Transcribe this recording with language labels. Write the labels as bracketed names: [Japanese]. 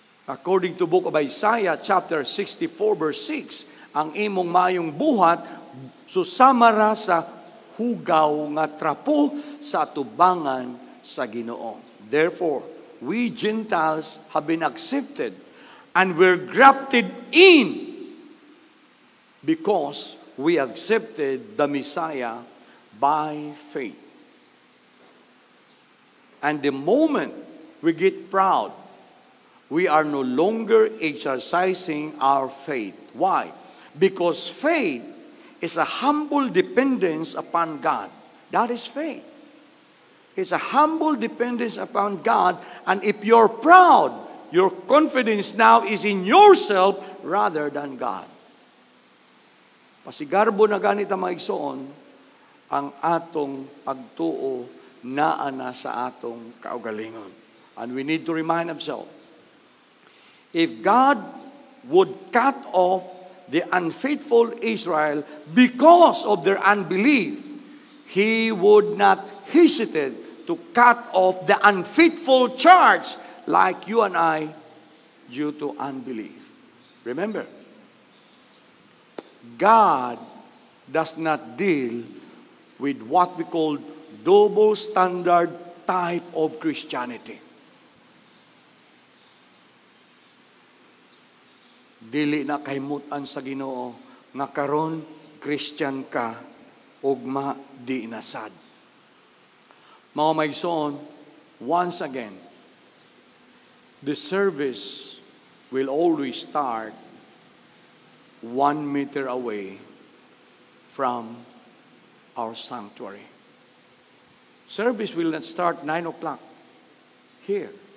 [English] According to Book of Isaiah, chapter 64, verse 6, [Cebuano] ang imong maayong buhat susama ra sa hugaw nga trapo sa tubangan sa Ginoo. [English] Therefore, we Gentiles have been accepted and we're grafted in because we accepted the Messiah by faith. And the moment we get proud, we are no longer exercising our faith. Why? Because faith is a humble dependence upon God. That is faith. It's a humble dependence upon God. And if you're proud, your confidence now is in yourself rather than God. [Cebuano] Pasigarbo na ganit ang maigsoon, ang atong pagtuo naa na sa atong kaugalingon. [English] And we need to remind ourselves, if God would cut off the unfaithful Israel because of their unbelief, He would not hesitate to cut off the unfaithful church like you and I due to unbelief. Remember, God does not deal with what we call double standard type of Christianity. [Cebuano] Dili na kahimutan sa Ginoo nga karon Christian ka ugma di nasad. Mga maigsoon, [English] once again, the service will always start 1 meter away from our sanctuary. Service will not start 9 o'clock here.